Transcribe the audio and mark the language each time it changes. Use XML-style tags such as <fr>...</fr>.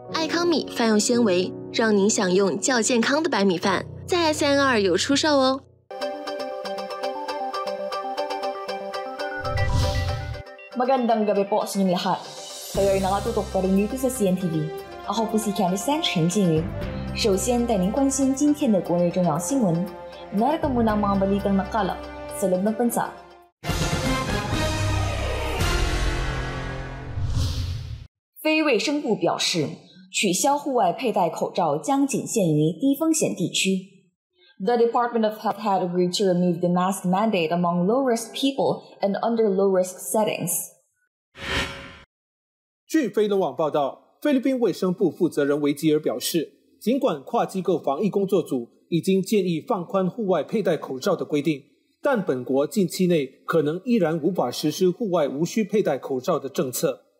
<zh>爱康米饭用纤维，让您享用较健康的白米饭，在 SNR 有出售哦。</zh> <tl>Magandang gabi po sa inyong lahat. Kayo ay nakatutok pa rin dito sa CNTV. Ako po si Candice San, Chen Jingyu.</tl> <zh>首先带您关心今天的国内重要新闻。</zh> <tl>Narito muna ang mga balitang nakalap sa loob ng bansa.</tl> <zh>Facemask 表示，取消户外佩戴口罩将仅限于低风险地区。</zh> <en>The Department of Health had agreed to remove the mask mandate among low-risk people and under low-risk settings.</en> <zh>据菲律网报道，菲律宾卫生部负责人维吉尔表示，尽管跨机构防疫工作组已经建议放宽户外佩戴口罩的规定，但本国近期内可能依然无法实施户外无需佩戴口罩的政策。</zh>